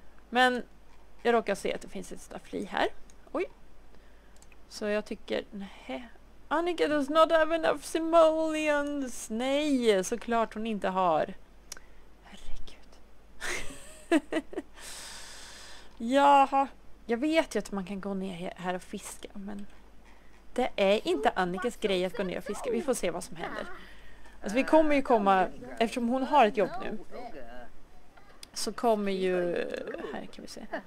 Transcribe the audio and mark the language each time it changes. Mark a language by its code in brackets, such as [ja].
[sv] Men jag råkar se att det finns ett staffli här. Oj. Så jag tycker... Nej. [en] Annika does not have enough simoleons. [sv] Nej, såklart hon inte har. Herregud. Jaha. Jag vet ju att man kan gå ner här och fiska, men... Det är inte Annikas grej att gå ner och fiska. Vi får se vad som händer. Alltså vi kommer ju komma, eftersom hon har ett jobb nu. Så kommer ju... Här kan vi se.